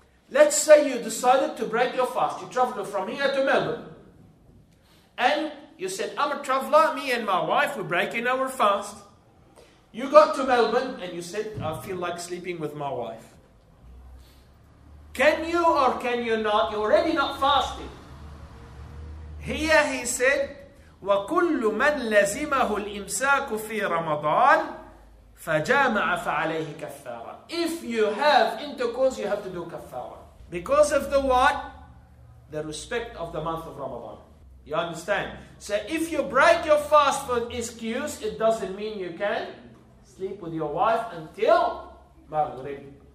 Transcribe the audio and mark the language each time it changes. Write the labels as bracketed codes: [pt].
[en] Let's say you decided to break your fast. You traveled from here to Melbourne. And you said, I'm a traveler, me and my wife, we're breaking our fast. You got to Melbourne and you said, I feel like sleeping with my wife. Can you or can you not? You're already not fasting. Here he said, [ar] وَكُلُّ مَنْ لَزِمَهُ الْإِمْسَاكُ فِي رَمَضَانِ فَجَامَعَ فَعَلَيْهِ كَفَّارًا. [en] If you have intercourse, you have to do kafara. Because of the what? The respect of the month of Ramadan. You understand? So if you break your fast for an excuse, it doesn't mean you can sleep with your wife until Maghrib.